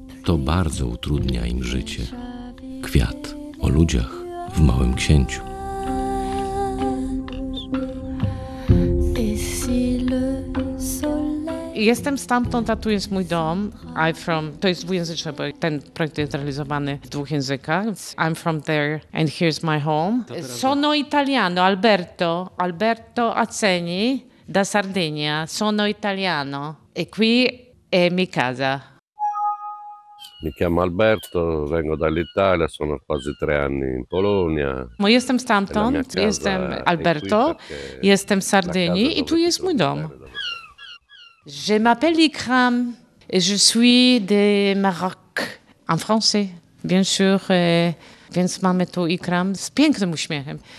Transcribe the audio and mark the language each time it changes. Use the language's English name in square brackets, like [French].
[Polish] To bardzo utrudnia im życie. Kwiat o ludziach w Małym Księciu. Jestem stamtąd, a tu jest mój dom. [English] I'm from. [Polish] To jest dwujęzyczne, bo ten projekt jest realizowany w dwóch językach. [English] I'm from there and here's my home. [Italian] Sono italiano, Alberto. Alberto Aceni da Sardegna. Sono italiano. E qui è mi casa. Mi chiamo Alberto, vengo dall'Italia, sono quasi 3 anni in Polonia. [Polish] Ma jestem stamtąd, jestem Alberto, jestem z Sardynii i tu jest mój dom. [French] Je m'appelle Ikram et je suis de Maroc, en français, bien sûr. [Polish] Więc mamy tu Ikram z pięknym uśmiechem.